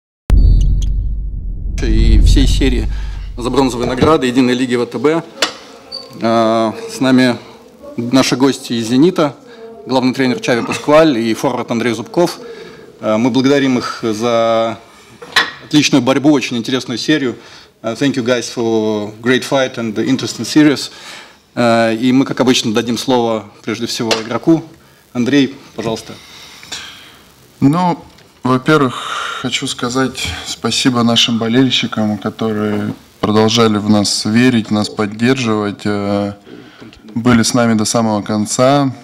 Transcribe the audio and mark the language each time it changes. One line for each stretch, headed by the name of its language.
Russian: Кубка и всей серии за бронзовые награды Единой лиги ВТБ. С нами наши гости из «Зенита», главный тренер Чави Паскваль и форвард Андрей Зубков. Мы благодарим их за отличную борьбу, очень интересную серию.
English: Thank you guys for great fight and the interesting series.
Russian: И мы, как обычно, дадим слово прежде всего игроку. Андрей, пожалуйста. Ну, во-первых, хочу сказать спасибо нашим болельщикам, которые продолжали в нас верить, нас поддерживать, были с нами до самого конца.